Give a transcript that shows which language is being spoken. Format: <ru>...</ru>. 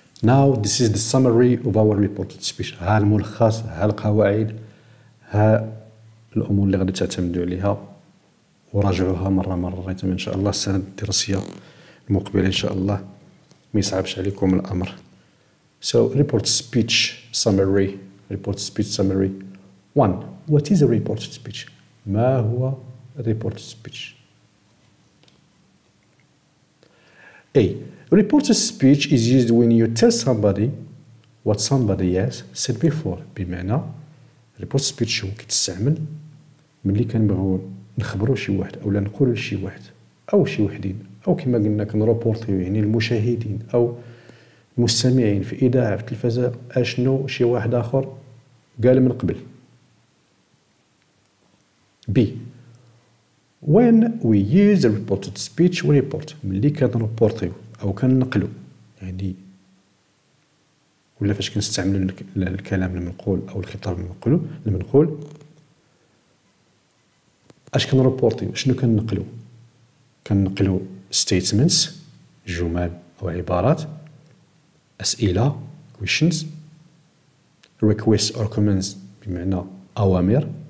<en>now this is the summary of our reported speech</en> <ar>ها الملخص ها القواعد ها الامور اللي غادي تعتمدوا عليها وراجعوها مره مره ان شاء الله السنه الدراسيه المقبله ان شاء الله ما يصعبش عليكم الامر</ar> <en>so report speech summary 1 what is a reported speech</en> <ar>ما هو reported speech A.</ar> <en>Reported speech is used when you tell somebody what somebody has said before.</en> <ar>بمعنى reported speech هو كيتستعمل ملي كنبغيو نخبرو شي واحد أولا نقولو لشي واحد أو شي وحدين أو كما قلنا كنروبورتيو يعني المشاهدين أو المستمعين في إذاعة في التلفزة أشنو شي واحد آخر قال من قبل.</ar> <en>B. When we use a reported speech, we report.</en> <ar>ملي كنروبورتيو أو كننقلو يعني ولا فاش كنستعملو الكلام المنقول أو الخطاب المنقول أش كنروبورتيو شنو كننقلو كننقلو statements جمل أو عبارات أسئلة questions</ar> <en>requests or comments</en> <ar>بمعنى أوامر</ar>